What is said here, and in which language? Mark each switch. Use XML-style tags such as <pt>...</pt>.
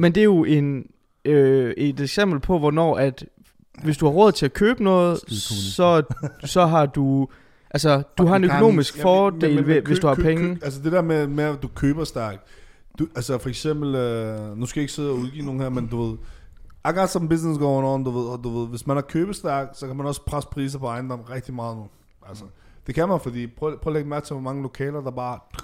<da>Men det er jo en, et eksempel på, hvornår at... Hvis du har råd til at købe noget, så har du... Altså, du har en økonomisk fordel, hvis du har penge. Altså, det der med at du køber stærkt. Altså, for eksempel... Nu skal jeg ikke sidde og udgive nogen her, men du ved...</da> <en>I got some business going on,</en> <da>du ved. Hvis man har købestærk, så kan man også presse priser på ejendom rigtig meget nu. Altså, det kan man, fordi prøv at lægge mærke til, hvor mange lokaler, der bare...</da>